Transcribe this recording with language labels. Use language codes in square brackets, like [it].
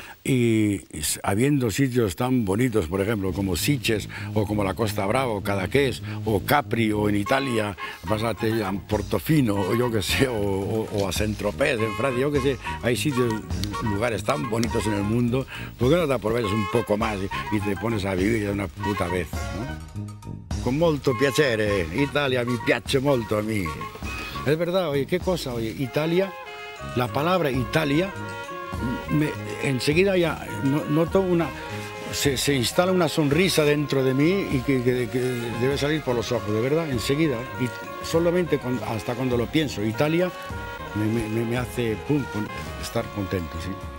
[es] Y habiendo sitios tan bonitos, por ejemplo, como Sitges o como la Costa Brava o Cadaqués o Capri o en Italia, pásate a Portofino o yo qué sé, o a Saint-Tropez en Francia, yo qué sé, hay sitios, lugares tan bonitos en el mundo, ¿por qué no te aprovechas un poco más y te pones a vivir de una puta vez, ¿no? [it] Con molto piacere, Italia mi piace molto a mí. [es] Es verdad, oye, qué cosa, oye, Italia, la palabra Italia, enseguida ya noto se instala una sonrisa dentro de mí y que debe salir por los ojos, de verdad, enseguida, y solamente hasta cuando lo pienso, Italia me hace pum, estar contento, ¿sí?